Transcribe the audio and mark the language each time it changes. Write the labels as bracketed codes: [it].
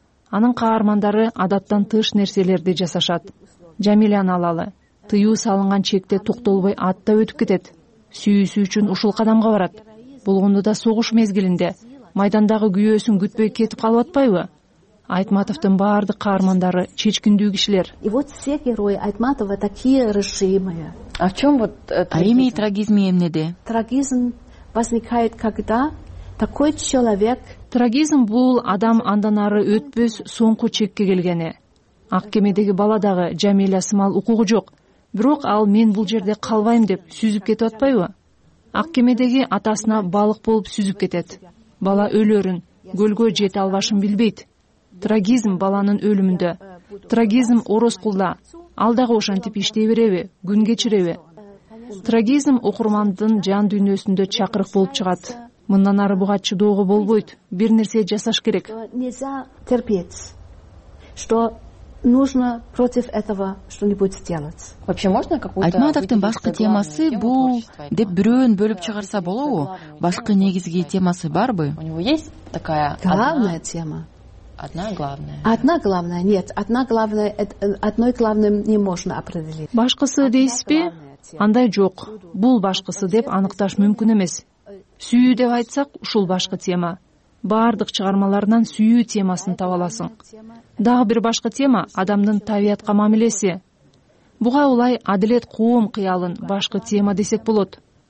[ky] Анын каармандары адаттан тыш нерселерди жасашат. Жамилян алалы. Тыюу салынган чекте токтолбой атта өтүп кетет. Сүйүүсү үчүн ушул кадамга барат. Болгондо да согуш мезгилинде майдандагы күйөөсүн күтпөй кетип калып атпайбы? Айтматовдун баардык каармандары чечкиндүү кишилер. [ru] И вот все герои Айтматова такие решимые. А в чём вот трагизм? А имя и трагизм [ky] эмнеде? [ru] Трагизм возникает когда такой человек. [ky] Трагизм бул адам андан ары өтпөс соңку чекке келгени. Ак кемедеги бала дагы Жамиля Сымал укугу жок. Бирок ал мен бул жерде калбайм деп сүзүп кетип атпайбы? Ак кемедеги атасына балык болуп сүзүп кетет. Бала өлөрүн, көлгө жете албашын билбейт. Трагизм баланын өлүмүндө. Трагизм орос кулда. Ал дагы ошентип иштей береби, күн кечиреби? Трагизм окурмандын жан дүйнөсүндө чакырык болуп чыгат. Мындан ары буга чыдоого болбойт. Бир нерсе жасаш керек. [ru] Нельзя терпеть, что нужно против этого что-нибудь сделать. Вообще можно какую-то. [ky] Айтматовдун башкы темасы бул деп бирөөн бөлүп чыгарса болобу? Башкы негизги темасы барбы? [ru] У него есть такая главная тема. Одна главная. Одна главная. Нет, одна главная, одной главным не можно определить. [ky] Башкысы дейсизби? Андай жок. Бул башкысы деп аныкташ мүмкүн эмес. Сүйүү деп айтсак, ушул башкы тема. Баардык чыгармаларынан сүйүү темасын таба аласың. Дагы бир башкы тема адамдын табиятка мамилеси. Буга улай адилет коом кыялын башкы тема десек болот.